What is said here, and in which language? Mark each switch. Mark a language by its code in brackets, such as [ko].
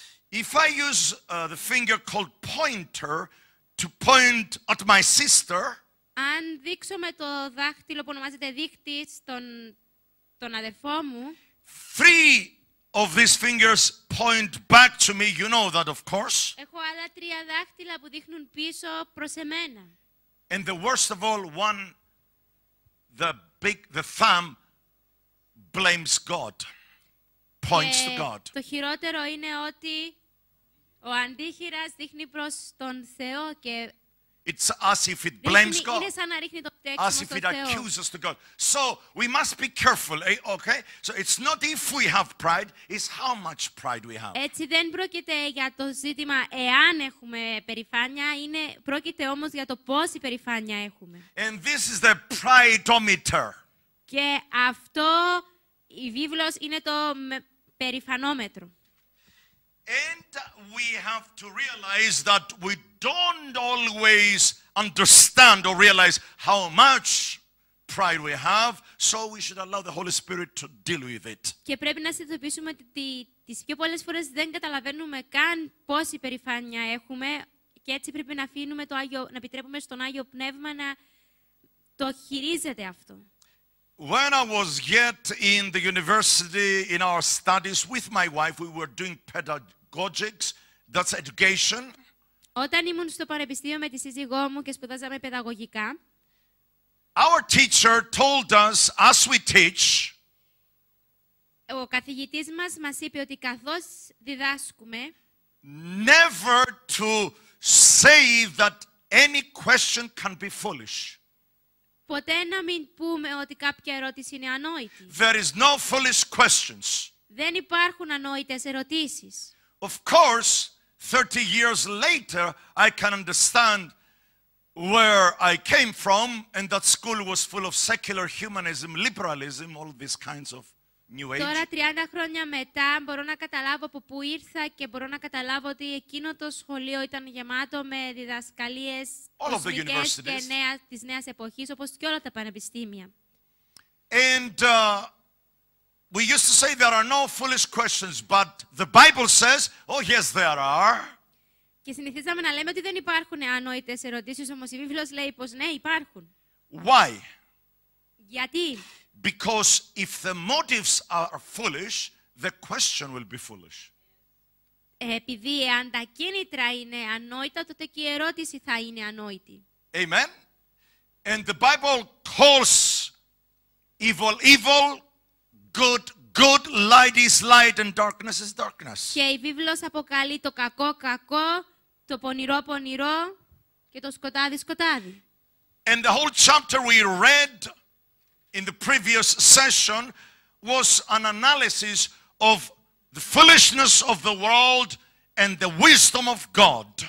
[en] If I use the finger called pointer to point at my sister, [el] αν δείξω με το δάχτυλο που ονομάζεται δείχτης τον αδερφό μου, [en] three of these fingers point back to me. You know that, of course. [el] Έχω άλλα τρία δάχτυλα που δείχνουν πίσω προς εμένα. [en] And the worst of all, one, the thumb. Blames God, points to God. [el] Το χειρότερο είναι ότι ο αντίχειρας δείχνει προς τον Θεό και [en] It's as if it blames God. [el] Είναι σαν να ρίχνει το πτέρυγμα στον Θεό. [en] As if it accuses to God. So we must be careful, okay? So it's not if we have pride, it's how much pride we have. [el] Έτσι δεν πρόκειται για το ζήτημα εάν έχουμε περηφάνεια, είναι πρόκειται όμως για το πόση περηφάνεια έχουμε. [en] And this is the pride-o-meter. [el] Και αυτό η βίβλος είναι το περηφανόμετρο. [en] And we have to realize that we don't always understand or realize how much pride we have, so we should allow the Holy Spirit to deal with it. [el] Και πρέπει να συνειδητοποιήσουμε ότι τις πιο πολλές φορές δεν καταλαβαίνουμε καν πόση περηφάνεια έχουμε και έτσι πρέπει να αφήνουμε το Άγιο, να επιτρέπουμε στον Άγιο Πνεύμα να το χειρίζεται αυτό. [en] When I was yet in the university, in our studies with my wife, we were doing pedagogics. That's education. [el] Όταν ήμουν στο πανεπιστήμιο με τη σύζυγό μου και σπουδάζαμε παιδαγωγικά. [en] Our teacher told us, as we teach. [el] Ο καθηγητής μας είπε ότι καθώς διδάσκουμε. [en] Never to say that any question can be foolish. [el] Ποτέ να μην πούμε ότι κάποια ερώτηση είναι ανόητη. [en] There is no foolish questions. [el] Δεν υπάρχουν ανόητες ερωτήσεις. [en] Of course, 30 years later, I can understand where I came from, and that school was full of secular humanism, liberalism, all these kinds of new age. [el] Τώρα 30 χρόνια μετά μπορώ να καταλάβω από πού ήρθα και μπορώ να καταλάβω ότι εκείνο το σχολείο ήταν γεμάτο με διδασκαλίες. [en] All of the universities. [el] Και της νέας εποχής, όπως και όλα τα πανεπιστήμια. [en] And we used to say there are no foolish questions, but the Bible says, oh yes, there are. [el] Και συνηθίζαμε να λέμε ότι δεν υπάρχουν ανόητες ερωτήσεις, όμως η Βίβλος λέει πως ναι, υπάρχουν. [en] Why? [el] Γιατί? [en] Because if the motives are foolish, the question will be foolish. [el] Επειδή αν τα κίνητρα είναι ανόητα, τότε και η ερώτηση θα είναι ανόητη. [en] Amen. And the Bible calls evil evil, good good, light is light and darkness is darkness. [el] Και η Βίβλος αποκαλεί το κακό κακό, το πονηρό πονηρό και το σκοτάδι σκοτάδι. [en] And the whole chapter we read in the previous session was an analysis of the foolishness of the world and the wisdom of God.